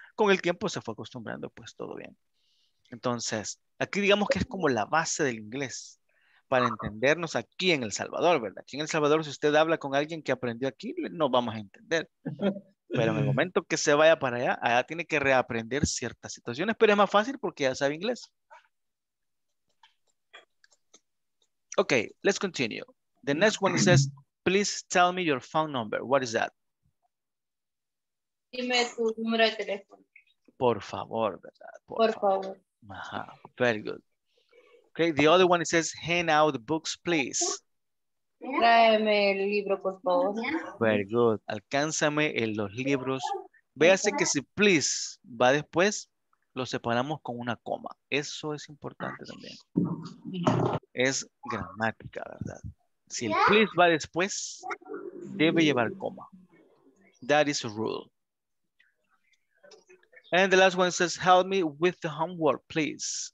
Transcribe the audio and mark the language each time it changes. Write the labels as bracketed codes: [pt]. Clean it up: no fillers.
[es] Con el tiempo se fue acostumbrando, pues todo bien. Entonces, aquí digamos que es como la base del inglés para entendernos aquí en El Salvador, ¿verdad? Aquí en El Salvador, si usted habla con alguien que aprendió aquí, no vamos a entender. Pero en el momento que se vaya para allá, allá tiene que reaprender ciertas situaciones, pero es más fácil porque ya sabe inglés. [en] Ok, let's continue. The next one says, please tell me your phone number. What is that? [es] Dime tu número de teléfono. Por favor, ¿verdad? Por favor. [en] Ajá, very good. Okay, the other one says, hand out books, please. [es] Tráeme el libro, por favor. [en] Very good. [es] Alcánzame en los libros. Véase que si please va después, lo separamos con una coma. Eso es importante también. Es gramática, ¿verdad? Si el please va después, debe llevar coma. [en] That is a rule. And the last one says, help me with the homework, please.